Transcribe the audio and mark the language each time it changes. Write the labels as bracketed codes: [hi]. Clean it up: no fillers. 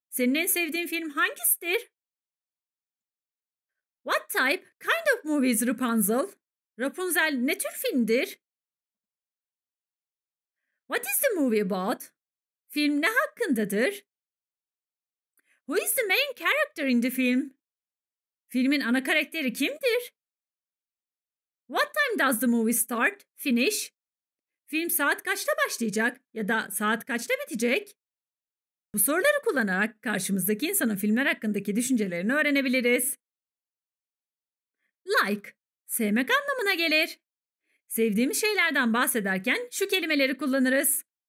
[tr] Senin en sevdiğin film hangisidir? [en] What type, kind of movie is Rapunzel? [tr] Rapunzel ne tür filmdir? [en] What is the movie about? [tr] Film ne hakkındadır? [en] Who is the main character in the film? [tr] Filmin ana karakteri kimdir? [en] What time does the movie start, finish? [tr] Film saat kaçta başlayacak ya da saat kaçta bitecek? Bu soruları kullanarak karşımızdaki insanın filmler hakkındaki düşüncelerini öğrenebiliriz. Like, sevmek anlamına gelir. Sevdiğimiz şeylerden bahsederken şu kelimeleri kullanırız.